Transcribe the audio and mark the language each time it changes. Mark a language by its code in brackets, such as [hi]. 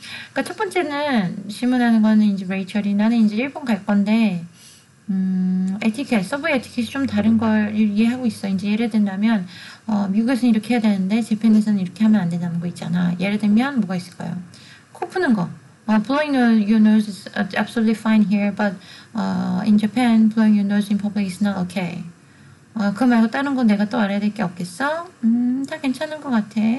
[ko] 그러니까 첫 번째는 질문하는 거는 이제 레이첼이 나는 이제 일본 갈 건데 에티켓, 서브웨이 에티켓이 좀 다른 걸 이해하고 있어. 이제 예를 든다면, 미국에서는 이렇게 해야 되는데, 재팬에서는 이렇게 하면 안 된다는 거 있잖아. 예를 들면, 뭐가 있을까요? 코 푸는 거. [en] Blowing your nose is absolutely fine here, but in Japan, blowing your nose in public is not okay. [ko] 그거 말고 다른 거 내가 또 알아야 될게 없겠어? 다 괜찮은 것 같아.